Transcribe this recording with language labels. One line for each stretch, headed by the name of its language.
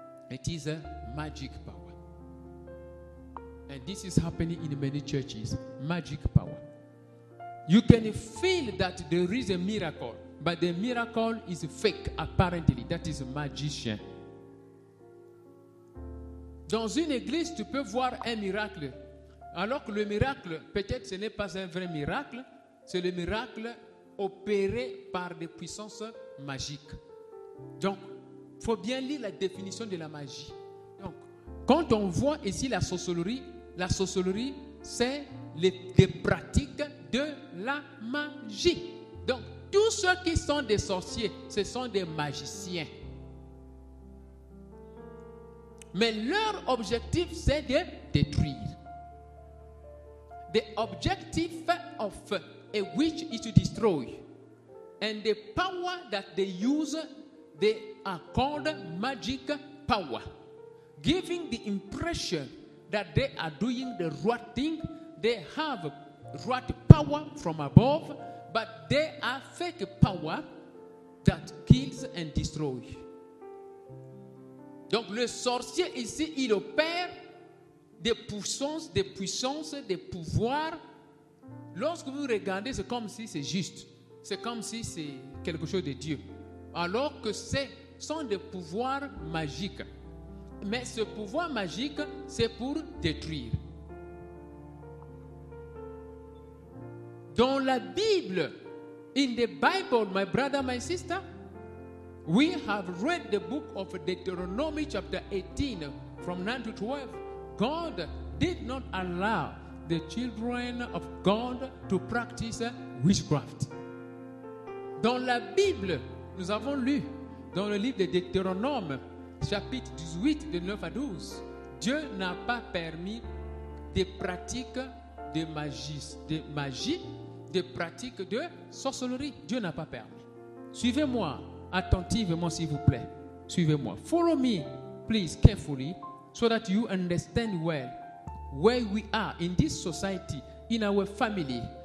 English: It is a magic power. And this is happening in many churches. Magic power. You can feel that there is a miracle, but the miracle is fake, apparently. That is a magician.
French: Dans une église, tu peux voir un miracle. Alors que le miracle, peut-être ce n'est pas un vrai miracle, c'est le miracle opéré par des puissances magiques. Donc, il faut bien lire la définition de la magie. Donc, quand on voit ici la sorcellerie, c'est les pratiques de la magie. Donc, tous ceux qui sont des sorciers, ce sont des magiciens. Mais leur objectif, c'est de détruire.
English: The objective of a witch is to destroy. And the power that they use, they are called magic power. Giving the impression that they are doing the right thing, they have right power from above, but they are fake power that kills and destroys.
French: Donc le sorcier ici, il opère des puissances, des pouvoirs. Lorsque vous regardez, c'est comme si c'est juste. C'est comme si c'est quelque chose de Dieu. Alors que ce sont des pouvoirs magiques. Mais ce pouvoir magique, c'est pour détruire. Dans la Bible,
English: in the Bible, my brother, my sister, we have read the book of Deuteronomy chapter 18 from 9 to 12. God did not allow the children of God to practice witchcraft.
French: Dans la Bible, nous avons lu dans le livre de Deutéronome, chapitre 18, de 9 à 12, Dieu n'a pas permis des pratiques de magie, des pratiques de sorcellerie. Dieu n'a pas permis. Suivez-moi attentivement, s'il vous plaît. Suivez-moi.
English: Follow me, please, carefully, so that you understand well where we are in this society, in our family.